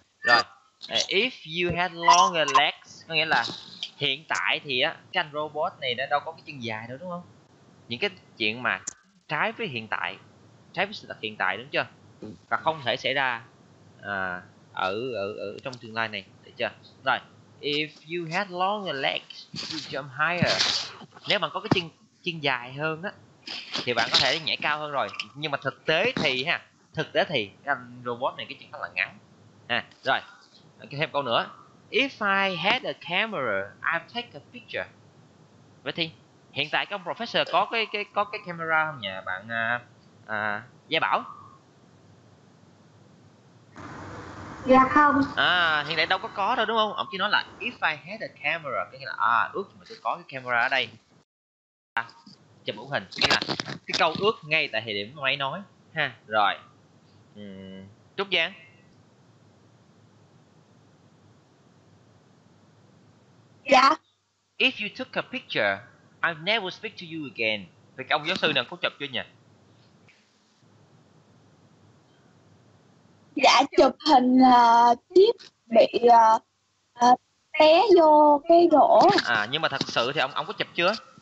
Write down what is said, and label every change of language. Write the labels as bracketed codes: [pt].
[vi] Rồi, [en] if you had longer legs [vi] có nghĩa là hiện tại thì á cái anh robot này nó đâu có cái chân dài đâu đúng không? Những cái chuyện mà trái với hiện tại, trái với sự thật hiện tại đúng chưa? Và không thể xảy ra ở trong tương lai này, được chưa? [en] Rồi, if you had longer legs, you jump higher. [vi] Nếu bạn có cái chân dài hơn á thì bạn có thể nhảy cao hơn rồi, nhưng mà thực tế thì ha, thực tế thì cái robot này cái chân rất là ngắn ha. Rồi thêm câu nữa, [en] if I had a camera I'd take a picture. [vi] Vậy thì hiện tại các ông professor có cái camera không nhỉ bạn Gia Bảo? Dạ không. À, hiện tại đâu có đâu đúng không? Ông chỉ nói là [en] if I had a camera, [vi] cái nghĩa là ước mà tôi có cái camera ở đây. Chụp mẫu hình, nghĩa là cái câu ước ngay tại thời điểm máy nói ha. Rồi. Trúc Giang. Dạ. [en] If you took a picture, I never speak to you again. [vi] Thì cái ông giáo sư nào có chụp chưa nhỉ? Dạ, chụp hình là tiếp bị té vô cái gỗ. À, nhưng mà thật sự thì ông có chụp chưa?